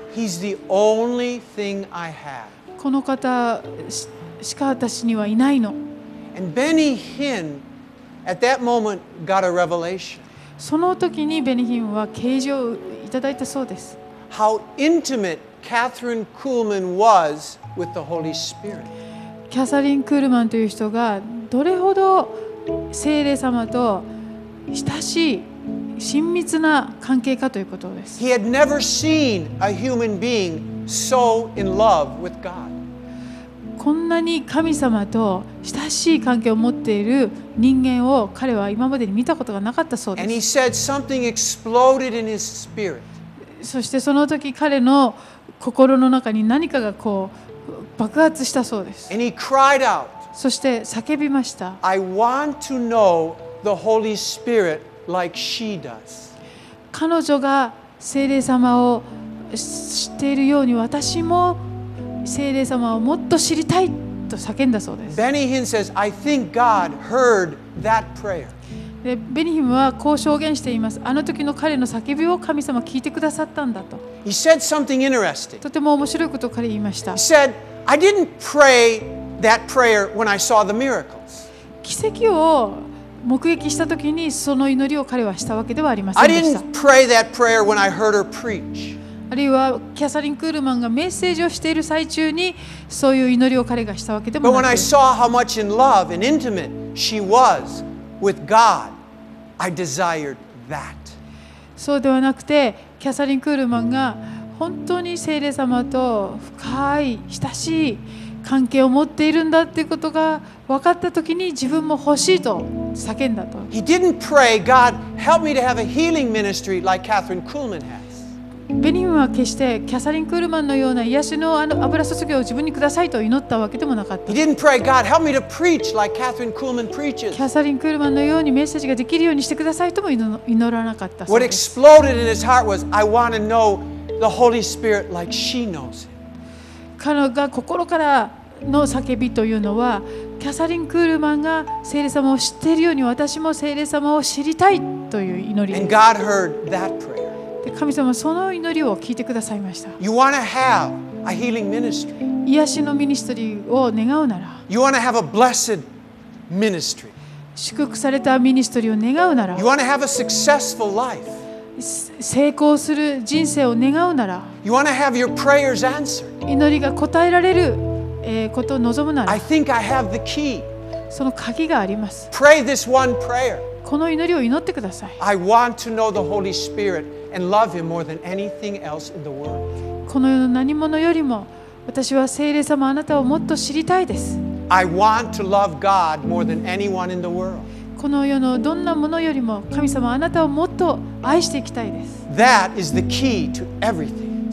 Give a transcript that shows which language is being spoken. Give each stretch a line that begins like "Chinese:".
English: He's the only thing I have.
Japanese: この方しか私にはいないの。
English: And Benny Hinn at that moment got a revelation.
Japanese: その時にベニヒンは啓示をいただいたそうです。
English: How intimate Catherine Kuhlman was with the Holy Spirit.
Japanese: キャサリン・クールマンという人がどれほど聖霊様と親しい親密な関係かということです。
English: He had never seen a human being so in love with God.
Japanese: こんなに神様と親しい関係を持っている人間を彼は今までに見たことがなかったそうです。
English: And he said something exploded in his spirit.
Japanese: そしてその時彼の心の中に何かがこう爆発したそうです。
English: And he cried out.
Japanese: そして叫びました。
English: I want to know the Holy Spirit like she does.
Japanese: 彼女が聖霊様を知っているように私も聖霊様をもっと知りたいと叫んだそうです。
English: Benny Hinn says, I think God heard that prayer.
Japanese: で、ベニヒムはこう証言しています。あの時の彼の叫びを神様聞いてくださったんだと。
English: He said something interesting.
Japanese: とても面白いことを彼は言いました。
English: He said, I didn't prayThat prayer when I saw the miracles.
Japanese: 奇跡を目撃したときにその祈りを彼はしたわけではありませんでした。
English: I didn't pray that prayer when I heard her preach.
Japanese: あるいはキャサリン・クールマンがメッセージをしている最中にそういう祈りを彼がしたわけでもな
English: く。But when I saw how much in love and intimate she was with God, I desired that.
Japanese: そうではなくてキャサリン・クールマンが本当に聖霊様と深い親しい関係を持っているんだということが分かったときに自分も欲しいと叫んだと。
English: He didn't pray, God, help me to have a healing ministry like Catherine Kuhlman has.
Japanese: ベニムは決してキャサリン・クールマンのような癒しの油注ぎを自分にくださいと祈ったわけでもなかった。
English: He didn't pray, God, help me to preach like Catherine Kuhlman preaches.
Japanese: キャサリン・クールマンのようにメッセージができるようにしてくださいとも祈らなかった。
English: What exploded in his heart was, I want to know the Holy Spirit like she knows it.
Japanese: 彼が心からの叫びというのはキャサリン・クールマンが聖霊様を知っているように私も聖霊様を知りたいという祈りです。
English: And God heard that prayer.
Japanese: で神様はその祈りを聞いてくださいました。
English: You want to have a healing ministry.
Japanese: 癒しのミニストリーを願うなら
English: You want to have a blessed ministry.
Japanese: 祝福されたミニストリーを願うなら
English: You want to have a successful life.
Japanese: 成功する人生を願うなら
English: You want to have your prayers answered.
Japanese: 祈りが答えられる、ことを望むなら
English: I think I have the key.
Japanese: その鍵があります。
English: Pray this one prayer.
Japanese: この祈りを祈ってください。
English: I want to know the Holy Spirit and love Him more than anything else in the world.
Japanese: この世の何者よりも私は聖霊様あなたをもっと知りたいです。
English: I want to love God more than anyone in the world.
Japanese: この世のどんなものよりも神様あなたをもっと愛していきたいです。
English: That is the key to everything.